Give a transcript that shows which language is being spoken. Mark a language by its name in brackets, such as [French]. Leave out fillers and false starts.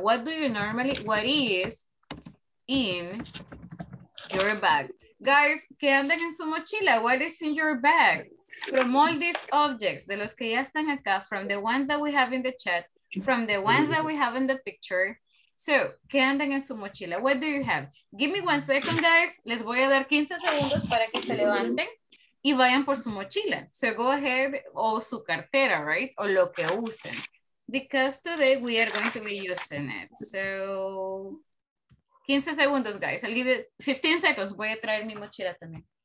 [English] What is in your bag? Guys, [Spanish] ¿qué andan en su mochila? [English] What is in your bag? From all these objects, [Spanish] de los que ya están acá, [English] from the ones that we have in the chat, from the ones that we have in the picture. So, [Spanish] ¿qué andan en su mochila? [English] What do you have? Give me 1 second, guys. [Spanish] Les voy a dar 15 segundos para que se levanten y vayan por su mochila. So, [English] go ahead, [Spanish] o su cartera, right? O lo que usen. [English] Because today we are going to be using it. [Spanish] So, 15 segundos, guys. [English] I'll give you 15 seconds. [Spanish] Voy a traer mi mochila también.